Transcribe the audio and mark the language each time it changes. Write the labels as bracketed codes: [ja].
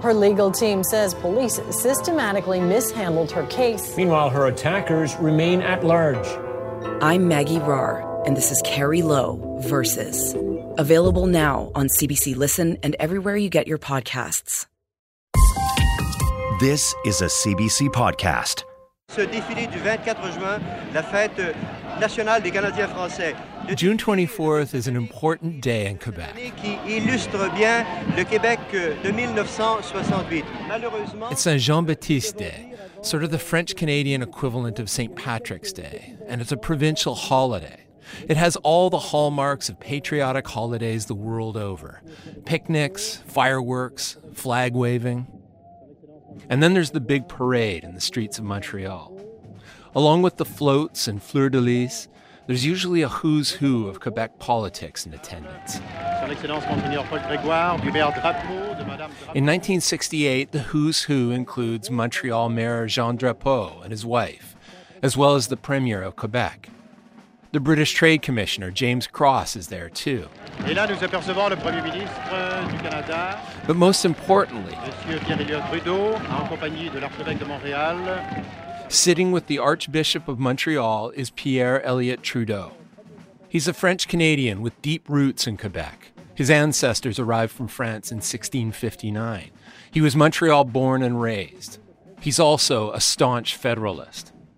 [en] Her legal team says police systematically mishandled her case. Meanwhile, her attackers remain at large. I'm Maggie Rahr, and this is Carrie Lowe Versus. Available now on CBC Listen and everywhere you get your podcasts. This is a CBC podcast. [fr] Ce défilé du 24 juin, la fête nationale des Canadiens français. [en] June 24th is an important day in Quebec. [fr] Qui illustre bien le Québec de 1968. Malheureusement, [en] it's Saint-Jean-Baptiste Day, sort of the French-Canadian equivalent of St. Patrick's Day, and it's a provincial holiday. It has all the hallmarks of patriotic holidays the world over. Picnics, fireworks, flag waving. And then there's the big parade in the streets of Montreal. Along with the floats and fleur-de-lis, there's usually a who's who of Quebec politics in attendance. In 1968, the who's who includes Montreal Mayor Jean Drapeau and his wife, as well as the Premier of Quebec. The British Trade Commissioner, James Cross, is there too. [fr] Et là, nous apercevons le Premier ministre du Canada. [en] But most importantly, [fr] Monsieur Pierre-Éliott Trudeau, en compagnie de l'archevêque de Montréal. [en] Sitting with the Archbishop of Montreal is Pierre-Éliott Trudeau. He's a French-Canadian with deep roots in Quebec. His ancestors arrived from France in 1659. He was Montreal born and raised. He's also a staunch Federalist.